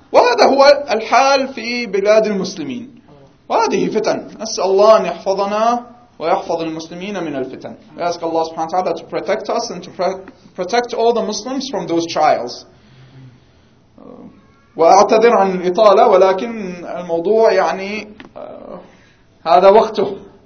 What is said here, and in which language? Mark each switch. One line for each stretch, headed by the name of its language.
Arabic: وهذا هو الحال في بلاد المسلمين. وهذه فتن. نسأل الله أن يحفظنا ويحفظ المسلمين من الفتن.
English: We ask Allah سبحانه وتعالى to protect us and to protect all the Muslims from those trials.
Arabic: وأعتذر عن الإطالة ولكن الموضوع يعني هذا وقته.